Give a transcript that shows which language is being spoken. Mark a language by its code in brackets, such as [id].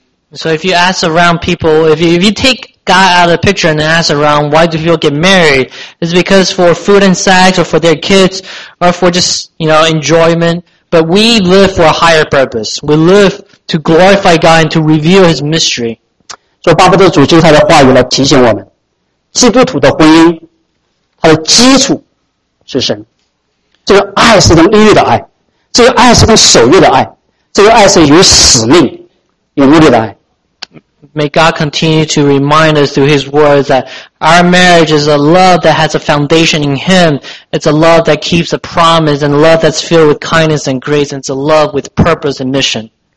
[en] So if you ask around people, if you take God out of the picture and ask around why do people get married, it's because for food and sex or for their kids or for just, you know, enjoyment. But we live for a higher purpose. We live to glorify God and to reveal His mystery. [zh] So 巴不得主就他的话语来提醒我们，基督徒的婚姻，它的基础是神。这个爱是跟音乐的爱，这个爱是跟守约的爱，这个爱是与使命、与目的的爱。 [en] May God continue to remind us through His words that our marriage is a love that has a foundation in Him. It's a love that keeps a promise and a love that's filled with kindness and grace. And it's a love with purpose and mission.